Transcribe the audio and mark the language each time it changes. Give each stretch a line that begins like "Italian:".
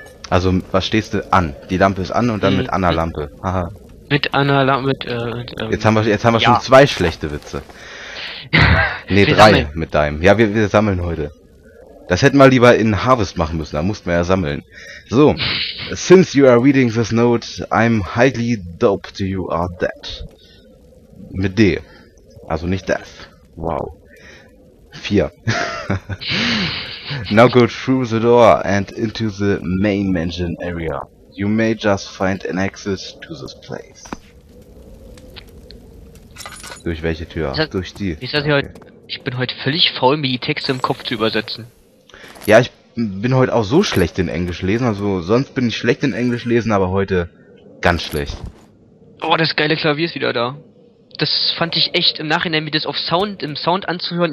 German: Also, was stehst du an? Die Lampe ist an und dann mit Anna Lampe. Haha. Mit Anna Lampe, Jetzt haben wir schon zwei schlechte Witze. Nee, drei sammeln. Mit deinem. Ja, wir sammeln heute. Das hätten wir lieber in Harvest machen müssen, da mussten wir ja sammeln.
English: So, since you are reading this note, I'm highly doped you are dead.
German: Mit D. Also nicht death. Wow. 4.
English: Now go through the door and into the main mansion area. You may just find an access to this place.
German: Durch welche Tür? Durch die. Ich bin heute völlig faul, mir die Texte im Kopf zu übersetzen. Ja, ich bin heute auch so schlecht in Englisch lesen. Also sonst bin ich schlecht in Englisch lesen, aber heute ganz schlecht. Oh, das geile Klavier ist wieder da. Das fand ich echt im Nachhinein, mir das auf Sound, im Sound anzuhören.